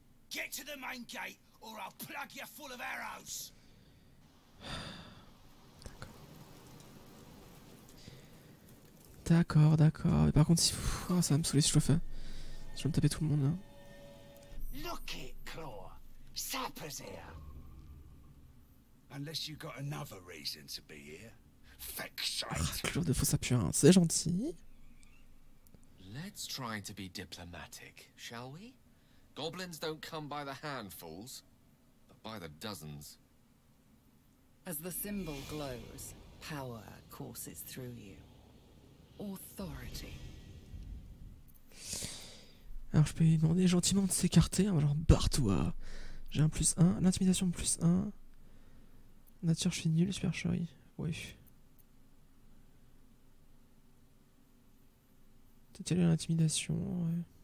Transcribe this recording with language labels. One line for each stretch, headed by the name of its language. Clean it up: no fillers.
English: Get to the main gate. Or I'll plug you full of arrows.
French: D'accord. D'accord, mais par contre si oh, ça va me saouler si je le fais. Je vais me taper tout le monde là.
English: Look it, Claw. Sapper's here. Unless you got another reason to be here. Fuck shit.
French: Claw de fausse appuyance, c'est gentil.
English: Let's try to be diplomatic, shall we? Goblins don't come by the handfuls. By the dozens. As the symbol glows, power courses through you. Authority.
French: Alors je peux lui demander gentiment de s'écarter. Alors barre-toi. J'ai un plus 1. L'intimidation plus 1. Nature, je suis nul. Super Shory. Oui. T'es allé à l'intimidation. Ouais.